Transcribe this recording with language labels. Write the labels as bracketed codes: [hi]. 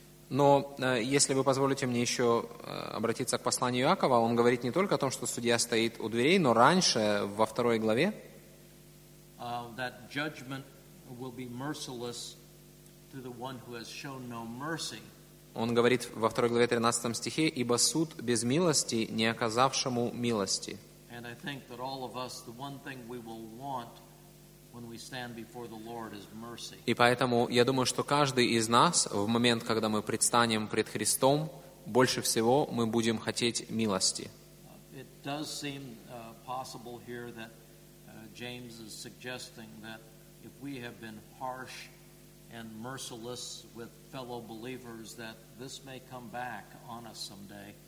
[ru] но если вы позволите мне еще обратиться к посланию Иакова, он говорит не только о том, что судья стоит у дверей, но раньше, во второй главе, [en] that judgment will be merciless to the one who has shown no mercy. [ru] Он говорит во второй главе 13 стихе, ибо суд без милости не оказавшему милости. [en] And I think that all of us, the one thing we will want when we stand before the Lord is mercy. [ru] И поэтому я думаю, что каждый из нас в момент, когда мы предстанем пред Христом, больше всего мы будем хотеть милости. [en] It does seem possible here that James is suggesting that if we have been harsh and merciless with fellow believers, that this may come back on us someday.